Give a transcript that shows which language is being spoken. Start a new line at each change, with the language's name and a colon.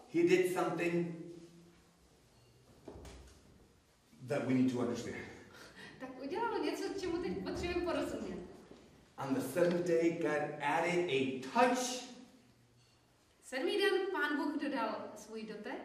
English: he did something that we need to understand.
Czech: Tak udělal něco, čemu teď potřebujeme porozumět.
English: On the seventh day, God added a touch.
Czech: Sedmý den pán Bůh dodal svůj dotek.